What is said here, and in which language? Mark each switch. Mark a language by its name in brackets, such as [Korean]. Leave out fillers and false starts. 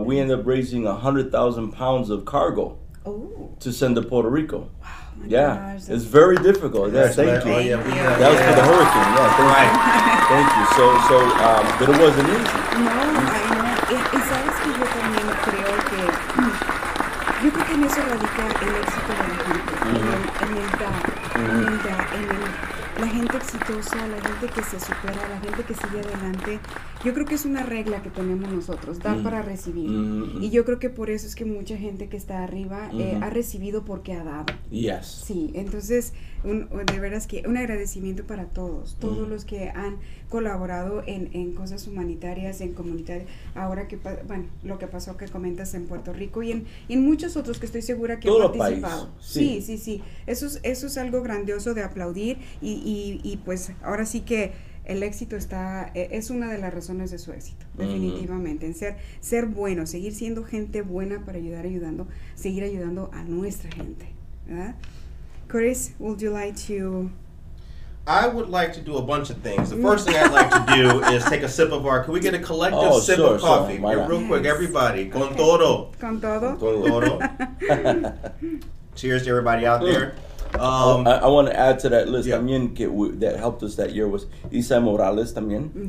[English] we ended up raising 100,000 pounds of cargo to send to Puerto Rico. Wow, yeah, gosh. It's very difficult. Yeah, thank you. Oh, yeah, that was for the hurricane. Yeah, thank right. you. Thank you. So, but it wasn't easy. No, I know. It's always good for me, but [Spanish] creo que. Yo creo que en eso radica el éxito de la gente, en el la gente exitosa, la gente que se supera, la gente que sigue adelante. Yo creo que es una regla que tenemos nosotros, dar para recibir. Mm-hmm. Y yo creo que por eso es que mucha gente que está arriba ha recibido porque ha dado. [English] Yes. [Spanish] Sí, entonces, de veras que un agradecimiento para todos los que han colaborado en cosas humanitarias, en comunidades, ahora que, lo que pasó que comentas en Puerto Rico y en muchos otros que estoy segura que todo han participado. País. Sí, sí, sí. Eso es algo grandioso de aplaudir y pues ahora sí que el éxito es una de las razones de su éxito, definitivamente, uh-huh. en ser bueno, seguir siendo gente buena para seguir ayudando a nuestra gente, ¿verdad? [English] Chris, would you like to... I would like to do a bunch of things. The first thing I'd like to do is take a sip of our... Can we get a collective sip of coffee? Sure, real quick, everybody. [Spanish] Con todo. Con todo. Con todo. [English] Cheers to everybody out there. I want to add to that list también that helped us that year was Isai Morales también.